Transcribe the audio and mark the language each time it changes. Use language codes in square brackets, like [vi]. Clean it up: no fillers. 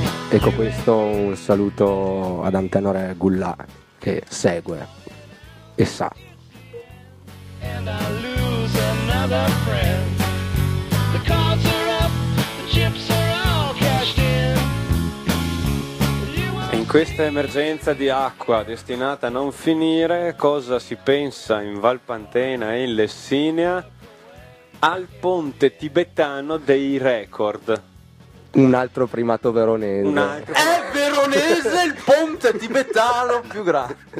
[it] Ecco, questo un saluto ad Antenore Gullà che segue e sa. [en] And I lose another friend. The cards are up, the chips are all cashed in. [it] In questa emergenza di acqua destinata a non finire, cosa si pensa in Valpantena e in Lessinia al ponte tibetano dei record? Un altro primato veronese. È veronese il ponte tibetano più grande.